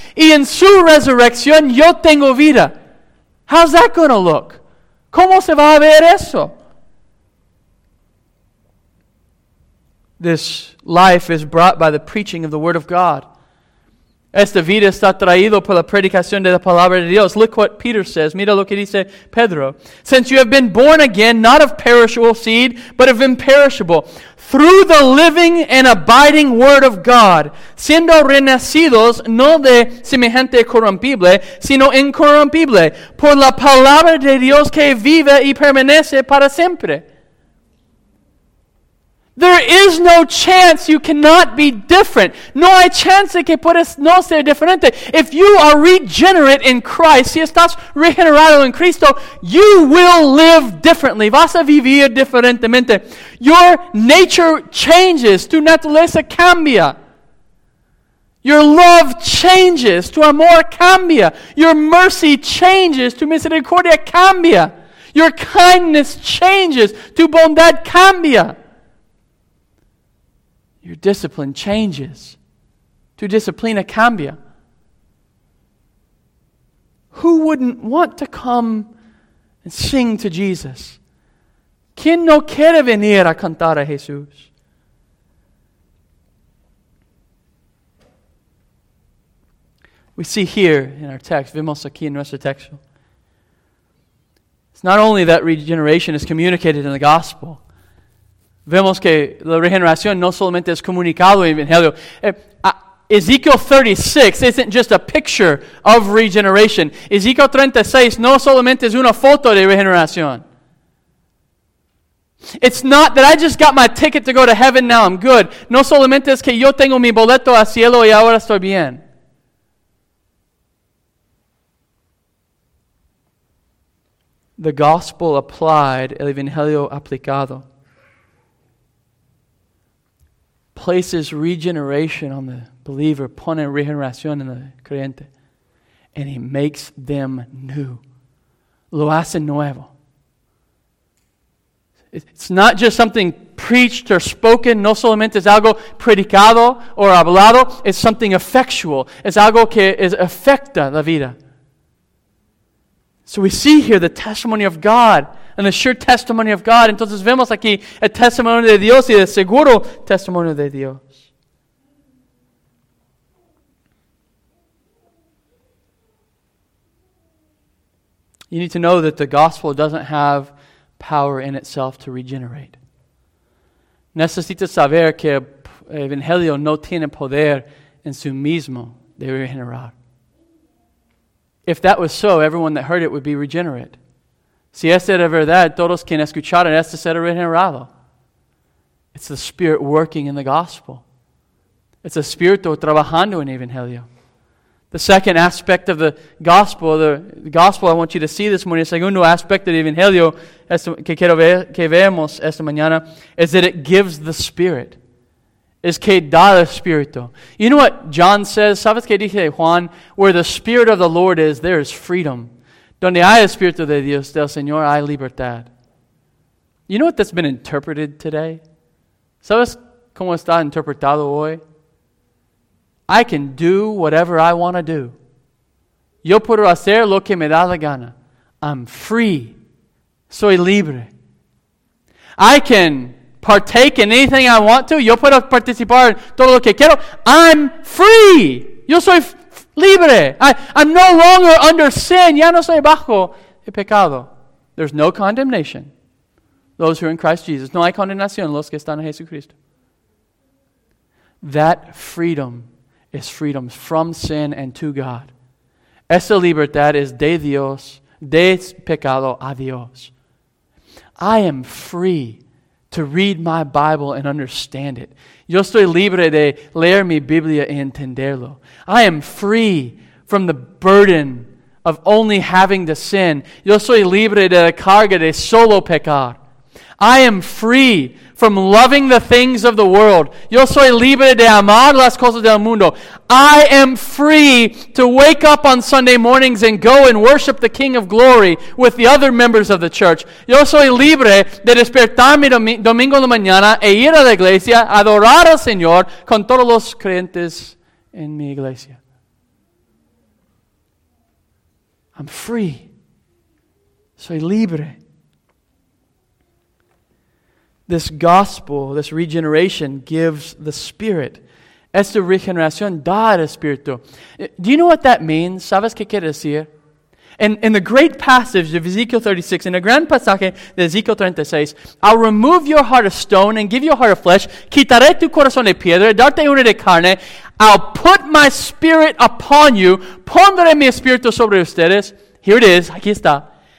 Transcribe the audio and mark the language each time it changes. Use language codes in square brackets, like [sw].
[es] Y en su resurrección, yo tengo vida. [en] How's that going to look? [es] ¿Cómo se va a ver eso? [en] This life is brought by the preaching of the Word of God. [es] Esta vida está traído por la predicación de la Palabra de Dios. [en] Look what Peter says. [es] Mira lo que dice Pedro. [en] Since you have been born again, not of perishable seed, but of imperishable, through the living and abiding Word of God, [es] siendo renacidos, no de semejante corrompible, sino incorrompible, por la Palabra de Dios que vive y permanece para siempre. [en] There is no chance you cannot be different. [es] No hay chance que puedas no ser diferente. [en] If you are regenerate in Christ, [es] si estás regenerado en Cristo, [en] you will live differently. [es] Vas a vivir diferentemente. [en] Your nature changes. [es] Tu naturaleza cambia. [en] Your love changes. [es] Tu amor cambia. [en] Your mercy changes. [es] Tu misericordia cambia. [en] Your kindness changes. [es] Tu bondad cambia. [en] Your discipline changes. [es] Tu disciplina cambia. [en] Who wouldn't want to come and sing to Jesus? [es] ¿Quién no quiere venir a cantar a Jesús? [en] We see here in our text, [es] vemos aquí en nuestro texto. [en] It's not only that regeneration is communicated in the gospel. [es] Vemos que la regeneración no solamente es comunicado en el Evangelio. [en] Ezekiel 36 isn't just a picture of regeneration. [es] Ezekiel 36 no solamente es una foto de regeneración. [en] It's not that I just got my ticket to go to heaven, now I'm good. [es] No solamente es que yo tengo mi boleto al cielo y ahora estoy bien. [en] The gospel applied, [es] el Evangelio aplicado, [en] places regeneration on the believer, [es] pone regeneración en el creyente, [en] and he makes them new. [es] Lo hace nuevo. [en] It's not just something preached or spoken, [es] no solamente es algo predicado or hablado, [en] it's something effectual. [es] Es algo que afecta la vida. [en] So we see here the testimony of God and the sure testimony of God. [es] Entonces vemos aquí el testimonio de Dios y el seguro testimonio de Dios. [en] You need to know that the gospel doesn't have power in itself to regenerate. [es] Necesitas saber que evangelio no tiene poder en su mismo de regenerar. [en] If that was so, everyone that heard it would be regenerate. [es] Si esta era verdad, todos quienes escucharon esto serían regenerados. [en] It's the Spirit working in the gospel. It's the [es] Espíritu trabajando en el Evangelio. [en] The second aspect of the gospel I want you to see this morning, [es] el segundo aspecto del Evangelio que quiero ver, que vemos esta mañana, [en] is that it gives the Spirit. [es] Es que da el Espíritu. [en] You know what John says? [es] ¿Sabes qué dice Juan? [en] Where the Spirit of the Lord is, there is freedom. [es] Donde hay el Espíritu de Dios del Señor, hay libertad. [en] You know what that's been interpreted today? [es] ¿Sabes cómo está interpretado hoy? [en] I can do whatever I want to do. [es] Yo puedo hacer lo que me da la gana. [en] I'm free. [es] Soy libre. [en] I can partake in anything I want to. [es] Yo puedo participar en todo lo que quiero. [en] I'm free. [es] Yo soy libre. [en] I'm no longer under sin. [es] Ya no soy bajo el pecado. [en] There's no condemnation. Those who are in Christ Jesus. [es] No hay condenación. Los que están en Jesucristo. [en] That freedom is freedom from sin and to God. [es] Esa libertad es de Dios, de pecado a Dios. [en] I am free to read my Bible and understand it. [es] Yo estoy libre de leer mi Biblia y entenderlo. [en] I am free from the burden of only having to sin. [es] Yo soy libre de la carga de solo pecar. [en] I am free from loving the things of the world. [es] Yo soy libre de amar las cosas del mundo. [en] I am free to wake up on Sunday mornings and go and worship the King of Glory with the other members of the church. [es] Yo soy libre de despertarme domingo en la mañana e ir a la iglesia a adorar al Señor con todos los creyentes en mi iglesia. [en] I'm free. [es] Soy libre. [en] This gospel, this regeneration, gives the Spirit. [es] Esta regeneración da el Espíritu. [en] Do you know what that means? [es] ¿Sabes qué quiere decir? [en] In the great passage of Ezekiel 36, in the gran pasaje de Ezekiel 36, I'll remove your heart of stone and give you a heart of flesh. [es] Quitaré tu corazón de piedra, darte uno de carne. [en] I'll put my Spirit upon you. [es] Pondré mi Espíritu sobre ustedes. [en] Here it is. [es] Aquí está.